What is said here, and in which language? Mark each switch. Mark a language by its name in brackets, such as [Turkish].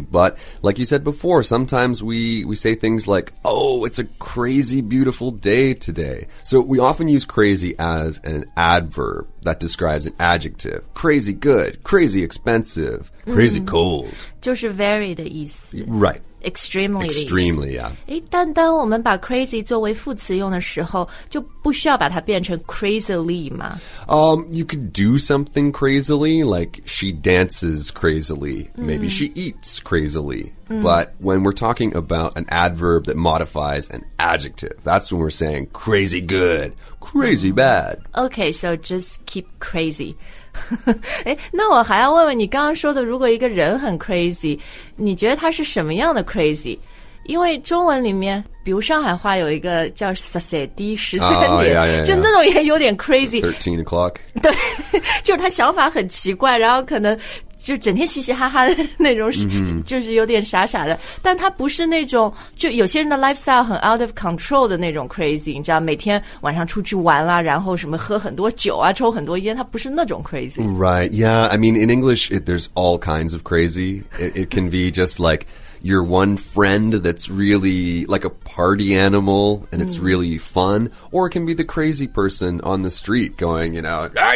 [English] But like you said before, sometimes we say things like, oh, it's a crazy beautiful day today. So we often use crazy as an adverb that describes an adjective. Crazy good, crazy expensive, crazy cold. [Chinese] 就是 very 的意思。 [English] Right. Extremely, extremely, yeah. [Chinese] 但当我们把 crazy 作为副词用的时候，就不需要把它变成 crazily 吗？ [English] You could do something crazily, like she dances crazily, maybe she eats crazily. But when we're talking about an adverb that modifies an adjective, that's when we're saying crazy good, crazy bad. Okay, so just keep crazy. [Chinese] 那我还要问问你刚刚说的，如果一个人很 crazy, 你觉得他是什么样的 crazy? 因为中文里面比如上海话有一个叫十三点、就那种也有点 crazy, [English] 13 o'clock, [Chinese] 对，就是他想法很奇怪，然后可能就整天嘻嘻哈哈的那种，就是有点傻傻的，但他不是那种就有些人的 lifestyle 很 [English] out of control [Chinese] 的那种 crazy, 你知道每天晚上出去玩啦，然后什么喝很多酒啊，抽很多烟，他不是那种 crazy. [English] Right, yeah, I mean in English there's all kinds of crazy. It can be just like your one friend that's really like a party animal and it's really fun, or it can be the crazy person on the street going, you know,